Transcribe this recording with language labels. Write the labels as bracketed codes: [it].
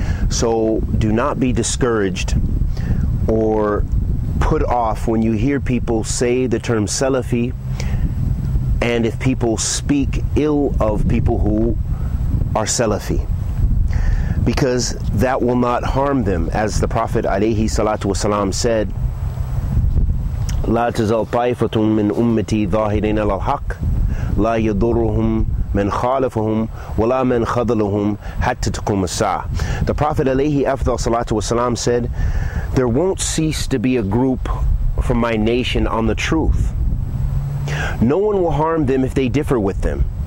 [en] So do not be discouraged or put off when you hear people say the term Salafi, and if people speak ill of people who are Salafi, because that will not harm them. As the Prophet alayhi salatu wasalam said, [ar] لا تزال طائفة من أمتي ظاهرين على الحق لا يضرهم من خالفهم ولا من خذلهم حتى تقوم الساعة. [en] The Prophet alayhi afdal salatu wasalam said, there won't cease to be a group from my nation on the truth. No one will harm them if they differ with them.